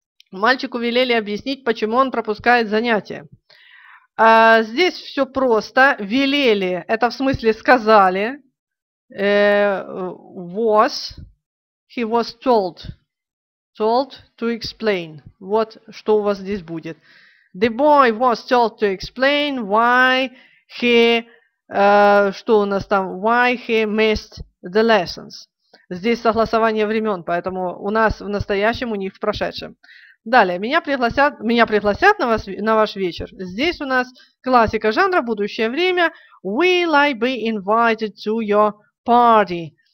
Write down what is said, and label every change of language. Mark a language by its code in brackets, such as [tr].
[ru] Мальчику велели объяснить, почему он пропускает занятия. Здесь все просто. Велели. Это в смысле сказали. [en] Was. He was told. Told to explain. [ru] Вот что у вас здесь будет. [en] The boy was told to explain why he... [ru] что у нас там? [en] Why he missed... The lessons. [ru] Здесь согласование времен, поэтому у нас в настоящем, у них в прошедшем. Далее, меня пригласят на ваш вечер. Здесь у нас классика жанра «Будущее время». [en] Will I be invited to your party?